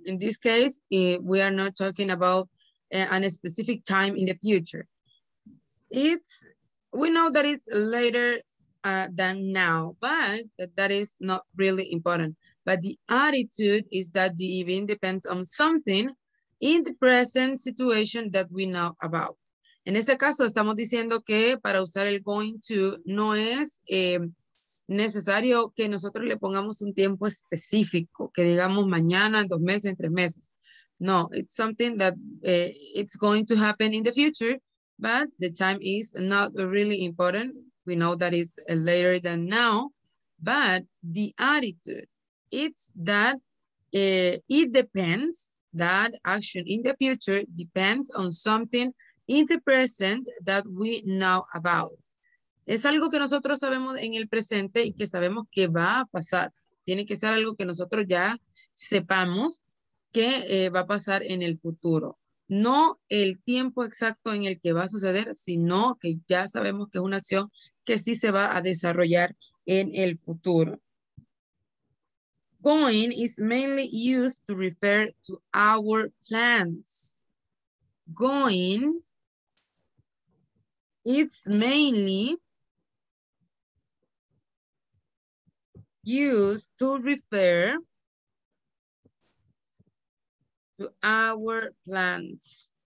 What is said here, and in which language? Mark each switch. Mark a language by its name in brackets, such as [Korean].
[English] In this case, we are not talking about a specific time in the future. It's we know that it's later than now, but that is not really important. But the attitude is that the event depends on something in the present situation that we know about. [Spanish] En este caso, estamos diciendo que para usar el going to no es necesario que nosotros le pongamos un tiempo específico, que digamos mañana, en dos meses, en tres meses. [English] No, it's something that it's going to happen in the future, but the time is not really important. We know that it's later than now, but the attitude, it's that it depends, that action in the future depends on something in the present that we know about. [Spanish] Es algo que nosotros sabemos en el presente y que sabemos que va a pasar. Tiene que ser algo que nosotros ya sepamos que va a pasar en el futuro. No el tiempo exacto en el que va a suceder, sino que ya sabemos que es una acción que sí se va a desarrollar en el futuro. [English] Going is mainly used to refer to our plans. Going, it's mainly used to refer to our plans.